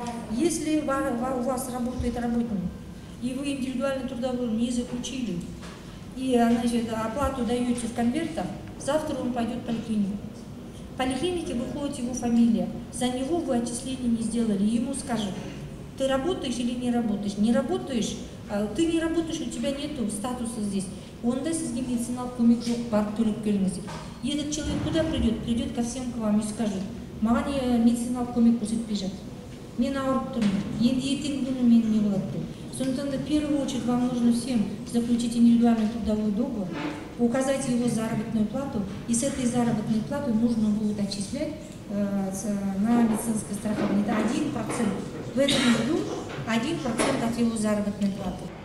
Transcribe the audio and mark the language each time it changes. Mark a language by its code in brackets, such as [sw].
[ru] Если у вас работает работник, и вы индивидуальный трудовой не заключили, и значит, оплату даете в конвертах, завтра он пойдет в поликлинику. В поликлинике выходит его фамилия, за него вы отчисления не сделали, ему скажут, ты работаешь или не работаешь. Не работаешь, ты не работаешь, у тебя нет статуса здесь. [kk] Онда сізге медициналық көмек жоқ, барып төлеп келіңіздер. [ru] Едет человек куда придет? Придет ко всем к вам и скажет, [kk] маған медициналық көмек көрсетпей жатыр. Мен ауырып тұрмын, енді ертеңгі күні мен не болады деп. [ru] Сондықтан да, в первую очередь, вам нужно всем заключить индивидуальный трудовой договор, указать его заработную плату, и с этой заработной платой нужно будет отчислять на медицинское страхование. Это 1%. В этом году 1% от его заработной платы.